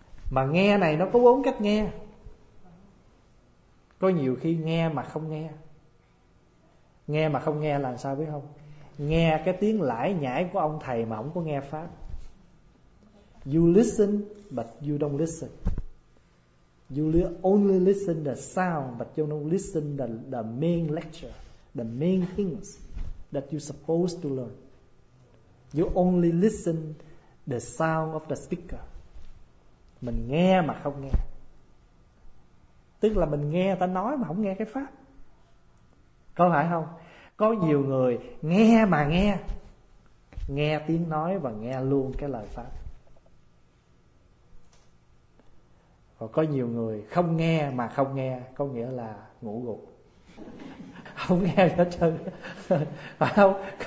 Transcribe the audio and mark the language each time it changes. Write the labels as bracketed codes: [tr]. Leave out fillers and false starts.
[vi] Mà nghe này nó có bốn cách nghe. Có nhiều khi nghe mà không nghe. Nghe mà không nghe là sao biết không? Nghe cái tiếng lải nhải của ông thầy mà không có nghe pháp. [en] You listen but you don't listen. You only listen the sound but you don't listen the main lecture, the main things that you supposed to learn. You only listen the sound of the speaker. [vi] Mình nghe mà không nghe. Tức là mình nghe người ta nói mà không nghe cái pháp. Có phải không? Có nhiều người nghe mà nghe, nghe tiếng nói và nghe luôn cái lời pháp. Và có nhiều người không nghe mà không nghe, có nghĩa là ngủ gục, không nghe hết trơn. Phải không?